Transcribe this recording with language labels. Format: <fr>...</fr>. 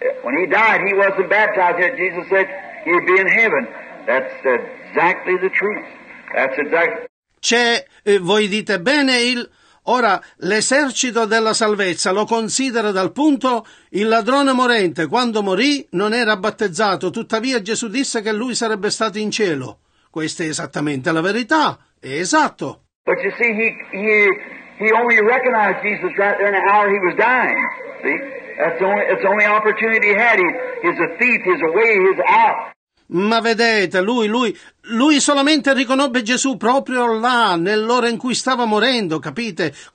<en>When he died, he wasn't baptized yet. Jesus said he'd be in heaven. That's exactly the truth. That's exactly...</en> <it>Voi dite bene il... Ora, l'esercito della salvezza lo considera dal punto il ladrone morente, quando morì, non era battezzato, tuttavia Gesù disse che lui sarebbe stato in cielo. Questa è esattamente la verità, è esatto.</it> <en>But you see, he only recognized Jesus right there in the hour he was dying, see? That's the only opportunity he had, he's a thief, he's away, he's out.</en> <it>Ma vedete, lui solamente riconobbe Gesù proprio là, nell'ora in cui stava morendo, capite?</it>